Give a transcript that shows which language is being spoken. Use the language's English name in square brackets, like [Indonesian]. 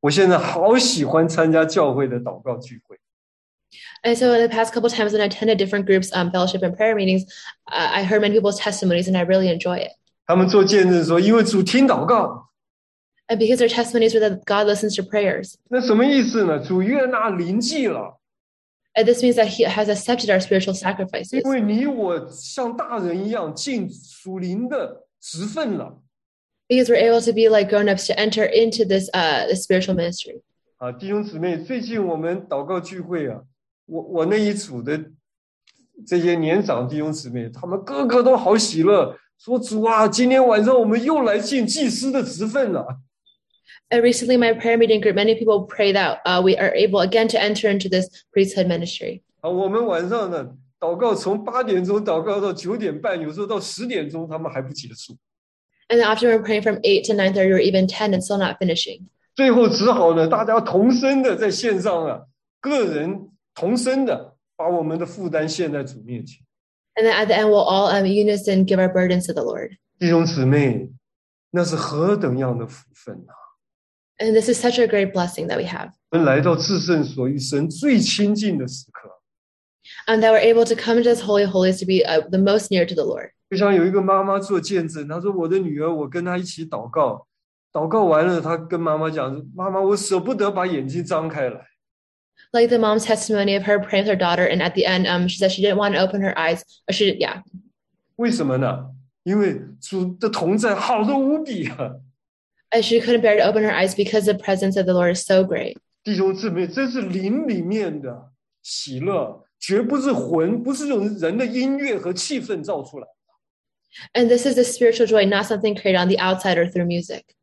[Chinese] 我前几次参加不同组的弟兄姊妹分享，有好多好几个姊妹做见，弟兄也做见证。我现在好喜欢参加教会的祷告聚会。 [English] And so in the past couple times when I attended different groups, fellowship and prayer meetings, I heard many people's testimonies and I really enjoy it. [Chinese] 他们做见证说，因为主听祷告。 [English] And because their testimonies were that God listens to prayers. [Chinese] 那什么意思呢?主悦纳灵祭了。 [English] This means that he has accepted our spiritual sacrifices. [Chinese] 因为你我像大人一样进属灵的职分了。 [English] Because we're able to be like grown-ups to enter into this spiritual ministry. [Chinese] 啊, 弟兄姊妹, 最近我们祷告聚会啊, 我那一组的这些年长弟兄姊妹, 他们个个都好喜乐, 说主啊, 今天晚上我们又来进祭司的职分了。 [English] Recently, my prayer meeting group, many people pray that we are able again to enter into this priesthood ministry. [Chinese] 我们晚上呢, 祷告从8点钟, 祷告到9点半, 有时候到10点钟, 他们还不结束。 [English] And after we're praying from 8 to 9:30 or even 10 and still not finishing. [Chinese] 最后只好呢, 大家同声的在线上啊, 个人同声的, 把我们的负担献在主面前。 [English] And then at the end, we'll all unison give our burdens to the Lord. [Chinese] 弟兄姊妹, 那是何等样的福分啊。 [English] And this is such a great blessing that we have. [Chinese] 我们来到至圣所与神最亲近的时刻。 [English] And that we're able to come to this holy holies to be the most near to the Lord. [Chinese] 就像有一个妈妈做见证, 她说我的女儿, 我跟她一起祷告, 祷告完了, 她跟妈妈讲, 妈妈, 我舍不得把眼睛张开来。 [English] Like the mom's testimony of her praying with her daughter, and at the end, she said she didn't want to open her eyes. Or she, yeah. [Chinese] 为什么呢?因为主的同在好得无比啊。 [English] And she couldn't bear to open her eyes because the presence of the Lord is so great. [Chinese] 弟兄姊妹, 这是灵里面的喜乐, 绝不是魂, 不是用人的音乐和气氛造出来的。 [English] And this is the spiritual joy, not something created on the outside or through music.